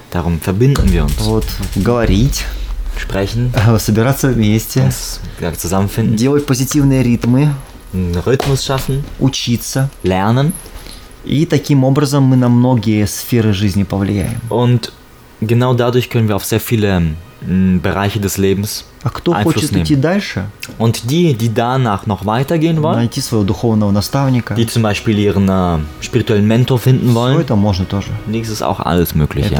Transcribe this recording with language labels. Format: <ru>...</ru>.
<de>Darum verbinden wir uns.</de> <ru>Вот, говорить.</ru> <de>Sprechen.</de> <ru>Собираться вместе. Как zusammenfinden. Делать позитивные ритмы.</ru> <de>Rhythmus schaffen.</de> <ru>Учиться.</ru> <de>Lernen.</de> <ru>И таким образом мы на многие сферы жизни повлияем.</ru> <de>Und genau dadurch können wir auf sehr viele Bereiche des Lebens Einfluss nehmen. Und die danach noch weitergehen wollen, die zum Beispiel ihren spirituellen Mentor finden wollen, das ist auch alles möglich. Ja.</de>